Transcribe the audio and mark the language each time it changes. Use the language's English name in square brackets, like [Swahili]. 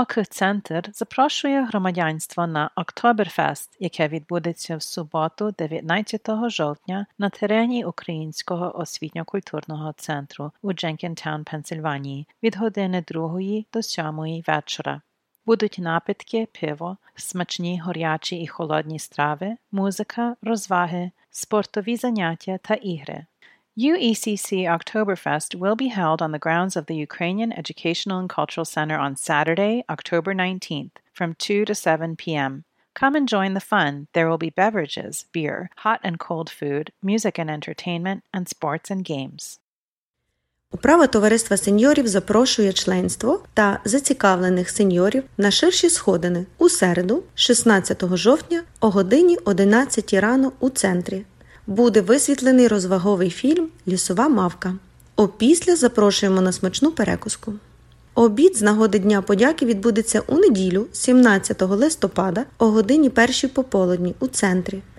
[Ukrainian] Центр запрошує громадянство на Октоберфест, яке відбудеться в суботу 19 жовтня на терені Українського освітньо-культурного центру у Дженкінтаун, Пенсильванії, від години 2 до 7 вечора. Будуть напитки, пиво, смачні, гарячі і холодні страви, музика, розваги, спортові заняття та ігри. [English] UECC Oktoberfest will be held on the grounds of the Ukrainian Educational and Cultural Center on Saturday, October 19th, from 2 to 7 p.m. Come and join the fun. There will be beverages, beer, hot and cold food, music and entertainment, and sports and games. [Ukrainian] Управа Товариства сеньорів запрошує членство та зацікавлених сеньорів на ширші сходини у середу, 16 жовтня, о годині 11 ранку у центрі. Буде висвітлений розваговий фільм «Лісова мавка». Опісля запрошуємо на смачну перекуску. Обід з нагоди Дня подяки відбудеться у неділю, 17 листопада, о годині 1 пополудні у центрі.